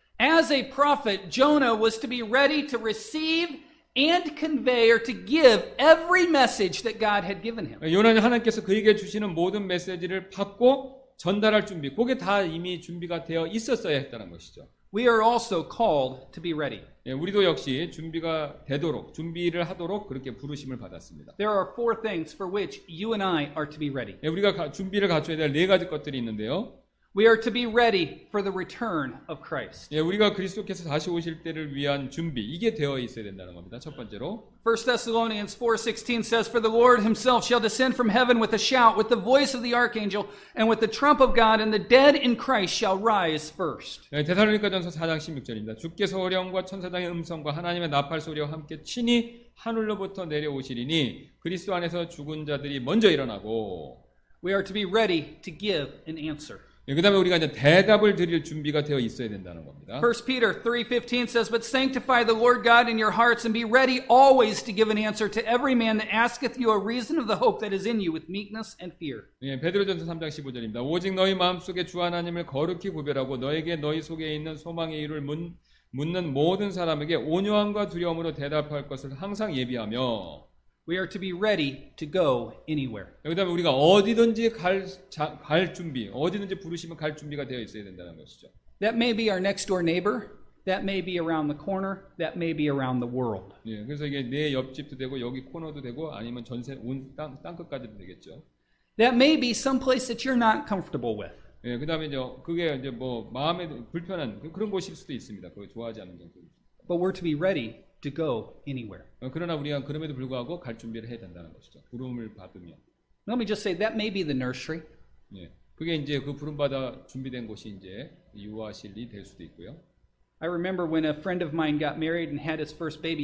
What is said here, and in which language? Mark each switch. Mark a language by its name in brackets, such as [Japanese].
[English] As a prophet, Jonah was to be ready to receive and convey or to give every message that God had given him. [Korean] 요나는 하나님께서 그에게 주시는 모든 메시지를 받고 전달할 준비, 그게 다 이미 준비가 되어 있었어야 했다는 것이죠. [English] We are also called to be ready. [Korean] 예, 우리도 역시 준비가 되도록 준비를 하도록 그렇게 부르심을 받았습니다. [English] There are four things for which you and I are to be ready. [Korean] 예, 우리가 준비를 갖춰야 될 네 가지 것들이 있는데요. [English] We are to be ready for the return of Christ. [Korean] 예, 우리가 그리스도께서 다시 오실 때를 위한 준비 이게 되어 있어야 된다는 겁니다. 첫 번째로 [English] 1 Thessalonians 4:16 says for the Lord himself shall descend from heaven with a shout with the voice of the archangel and with the trump of God and the dead in Christ shall rise first. [Korean] 예, 데살로니가전서 4장 16절입니다. 주께서 어령과 천사장의 음성과 하나님의 나팔 소리와 함께 친히 하늘로부터 내려오시리니 그리스도 안에서 죽은 자들이 먼저 일어나고 [English] We are to be ready to give an answer. [Korean] 그다음에 우리가 이제 대답을 드릴 준비가 되어 있어야 된다는 겁니다. [English] 1 Peter 3:15 says, "But sanctify the Lord God in your hearts and be ready always to give an answer to every man that asketh you a reason of the hope that is in you with meekness and fear." [Korean] 예, 베드로전서 3장 15절입니다. 오직 너희 마음속에 주 하나님을 거룩히 구별하고 너에게 너희 속에 있는 소망의 이유를 묻는 모든 사람에게 온유함과 두려움으로 대답할 것을 항상 예비하며 [English] We are to be ready to go anywhere. [Korean] 그다음에 우리가 어디든지 갈 준비, 어디든지 부르시면 갈 준비가 되어 있어야 된다는 것이죠. [English] That may be our next door neighbor. That may be around the corner. That may be around the world. [Korean] 예, 그래서 이게 내 옆집도 되고 여기 코너도 되고 아니면 전세 온 땅끝까지도 되겠죠. [English] That may be some place that you're not comfortable with. [Korean] 예, 그다음에 이제 그게 이제 뭐 마음에 불편한 그런 곳일 수도 있습니다. 그걸 좋아하지 않는 정도. [English] But we're to be ready. To go anywhere. [Korean] 그러나 우리가 그럼에도 불구하고 갈 준비를 해야 된다는 것이죠. 부름을 받으면. [English] Let me just say that may be the nursery. [Korean] 예, 그게 이제 그 부름 받아 준비된 곳이 이제 유아실이 될 수도 있고요. [English] I remember when a friend of mine got married and had his first baby.